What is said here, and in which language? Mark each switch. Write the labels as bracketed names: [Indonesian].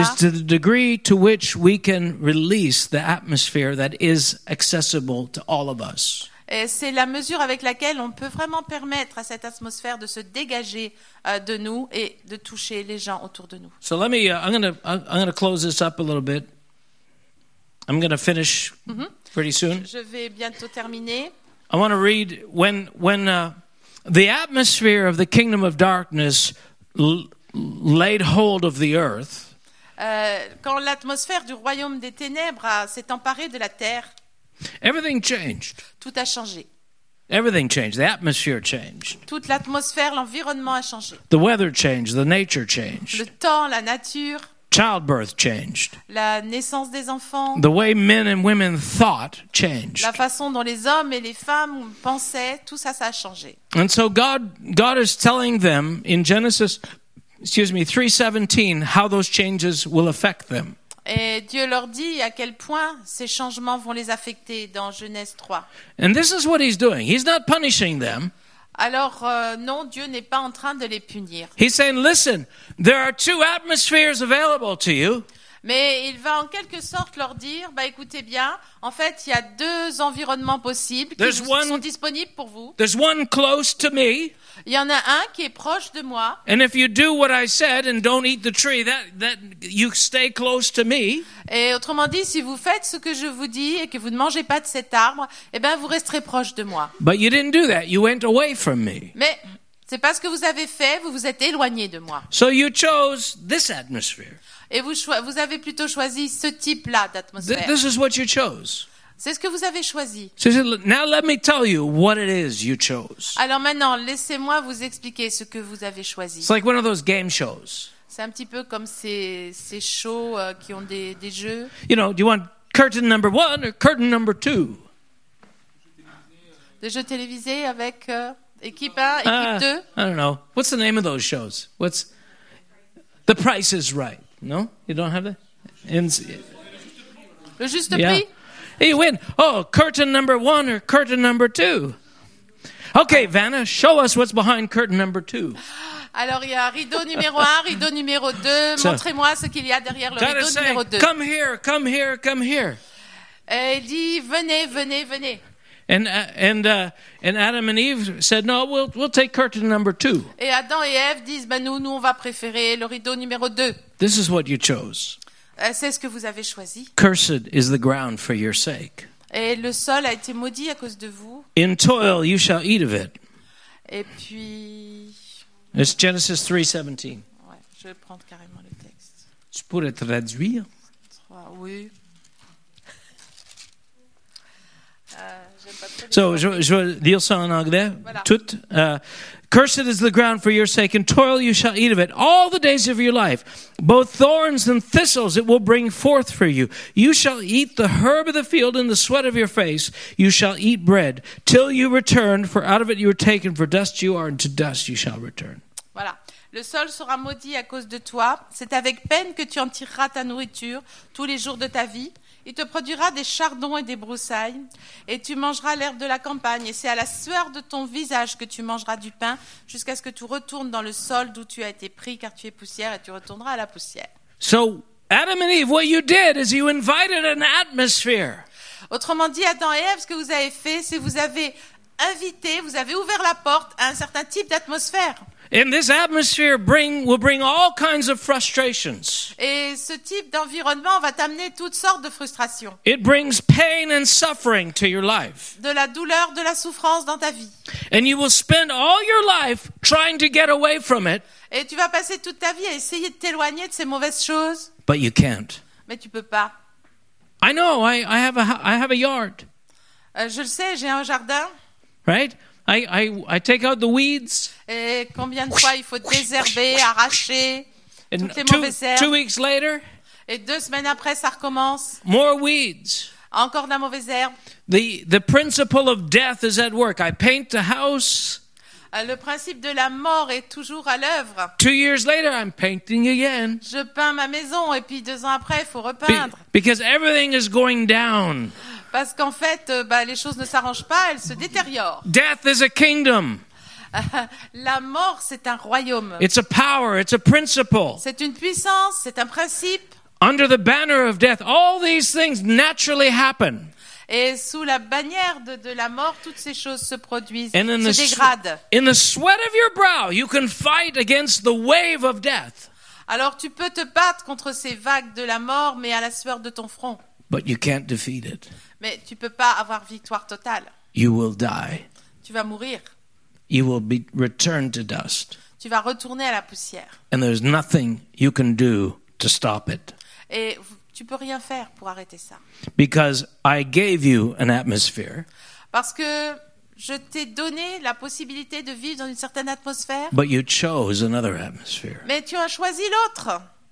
[English] Is to the degree to which we can release the atmosphere that is accessible to all of us. [French] Et c'est la mesure avec laquelle on peut vraiment permettre à cette atmosphère de se dégager de nous et de toucher les gens autour de nous. [English] So let me, I'm gonna close this up a little bit. I'm gonna finish pretty soon. [French] Je vais bientôt terminer. [English] I want to read when the atmosphere of the kingdom of darkness laid hold of the earth. [French] Quand l'atmosphère du royaume des ténèbres s'est emparée de la terre. [English] Everything changed. [French] Tout a changé. [English] Everything changed. The atmosphere changed. [French] Toute l'atmosphère, l'environnement a changé. [English] The weather changed. The nature changed. [French] Le temps, la nature. [English] Childbirth changed. [French] La naissance des enfants. [English] The way men and women thought changed. [French] La façon dont les hommes et les femmes pensaient, tout ça, ça a changé. [English] And so God is telling them in Genesis, 3:17, how those changes will affect them. [French] Et Dieu leur dit à quel point ces changements vont les affecter dans Genèse 3. [English] And this is what he's doing. He's not punishing them. [French] Alors non, Dieu n'est pas en train de les punir. [English] He's saying, listen, there are two atmospheres available to you. [French] Mais il va en quelque sorte leur dire, bah écoutez bien, en fait, il y a deux environnements possibles qui sont disponibles pour vous. [English] There's one close to me. [French] Il y en a un qui est proche de moi. [English] And if you do what I said and don't eat the tree, that you stay close to me. [French] Et autrement dit, si vous faites ce que je vous dis et que vous ne mangez pas de cet arbre, eh ben vous resterez proche de moi. [English] But you didn't do that. You went away from me. [French] Mais c'est pas ce que vous avez fait, vous vous êtes éloigné de moi. [English] So you chose this atmosphere. [French] Et vous avez plutôt choisi ce type-là d'atmosphère. [English] This is what you chose. [French] C'est ce que vous avez choisi. [English] So said, now let me tell you what it is you chose. [French] Alors maintenant, laissez-moi vous expliquer ce que vous avez choisi. [English] It's like one of those game shows. [French] C'est un petit peu comme ces shows qui ont des jeux. [English] You know, do you want curtain number one or curtain number two? [French] Des jeux télévisés avec Équipe A, équipe 2. [English] I don't know. What's the name of those shows? What's The Price is Right. No? You don't have that? [French] Le Juste Prix? [English] Yeah. You win. Oh, curtain number one or curtain number two? Okay, Vanna, show us what's behind curtain number two. [French] Alors, il y a rideau numéro un, rideau numéro deux. Montrez-moi ce qu'il y a derrière le rideau numéro deux. [English] Come here, come here, come here. [French] Et il dit, venez, venez, venez. [English] And Adam and Eve said, no, we'll take curtain number two. [French] Et Adam et Ève disent, ben nous, on va préférer le rideau numéro deux. [English] This is what you chose. [French] C'est ce que vous avez choisi. [English] Cursed is the ground for your sake. [French] Et le sol a été maudit à cause de vous. [English] In toil, you shall eat of it. [French] Et puis... [English] It's Genesis 3:17. [French] Ouais, je vais prendre carrément le texte. Je pourrais traduire. Oui. Je vais dire ça en anglais. Voilà. Tout. [English] Cursed is the ground for your sake, and toil you shall eat of it all the days of your life. Both thorns and thistles it will bring forth for you. You shall eat the herb of the field in the sweat of your face. You shall eat bread till you return, for out of it you were taken, for dust you are, and to dust you shall return. [French] Voilà. Le sol sera maudit à cause de toi. C'est avec peine que tu en tireras ta nourriture tous les jours de ta vie. Il te produira des chardons et des broussailles, et tu mangeras l'herbe de la campagne, et c'est à la sueur de ton visage que tu mangeras du pain, jusqu'à ce que tu retournes dans le sol d'où tu as été pris, car tu es poussière, et tu retourneras à la poussière. [English] So, Adam and Eve, what you did is you invited an atmosphere. [French] Autrement dit, Adam et Ève, ce que vous avez fait, c'est vous avez invité, vous avez ouvert la porte à un certain type d'atmosphère. [English] And this atmosphere will bring all kinds of frustrations. [French] Et ce type d'environnement va t'amener toutes sortes de frustrations. [English] It brings pain and suffering to your life. [French] De la douleur, de la souffrance dans ta vie. [English] And you will spend all your life trying to get away from it. [French] Et tu vas passer toute ta vie à essayer de t'éloigner de ces mauvaises choses. [English] But you can't. [French] Mais tu peux pas. [English] I know. I have a yard. [French] Je le sais. J'ai un jardin. [English] Right. I take out the weeds. [French] Et combien de fois il faut désherber, arracher toutes les mauvaises herbes. [English] 2 weeks later. [French] Et 2 semaines après, ça recommence. [English] More weeds. [French] Encore de la mauvaise herbe. [English] The principle of death is at work. I paint the house. [French] Le principe de la mort est toujours à l'œuvre. [English] 2 years later, I'm painting again. [French] Je peins ma maison et puis 2 ans après, il faut repeindre. [English] Because everything is going down. [French] Parce qu'en fait, les choses ne s'arrangent pas, elles se détériorent. [English] Death is a kingdom. [French] La mort, c'est un royaume. [English] It's a power, it's a principle. [French] C'est une puissance, c'est un principe. [English] Under the banner of death, all these things naturally happen. [French] Et sous la bannière de la mort, toutes ces choses se produisent, se dégradent. [English] In the sweat of your brow, you can fight against the wave of death. [French] Alors tu peux te battre contre ces vagues de la mort, mais à la sueur de ton front. [English] But you can't defeat it. [French] Mais tu peux pas avoir victoire totale. [English] You will die. [French] Tu vas mourir. [English] You will be returned to dust. [French] Tu vas retourner à la poussière. [English] And there's nothing you can do to stop it. [French] Et tu peux rien faire pour arrêter ça. [English] Because I gave you an atmosphere. [French] Parce que je t'ai donné la possibilité de vivre dans une certaine atmosphère. [English] But you chose another atmosphere. [French] Mais tu as choisi l'autre.